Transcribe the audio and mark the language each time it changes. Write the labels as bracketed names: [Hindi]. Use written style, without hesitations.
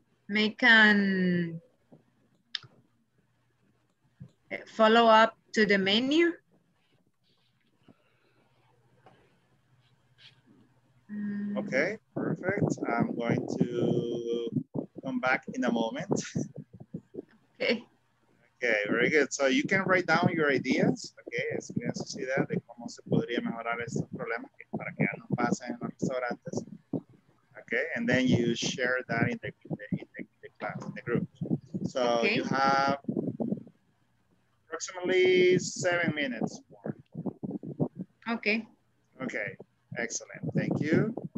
[English] Make an follow up to the menu. Okay, perfect. I'm going to come back in a moment. Okay. Okay, very good. So you can write down your ideas, okay? [Spanish] Es una sociedad de cómo se podría mejorar estos problemas para que ya no pasen en los restaurantes. [English] Okay, and then you share that in the class, in the group. So okay. You have approximately 7 minutes more. Okay. Okay, excellent. Thank you.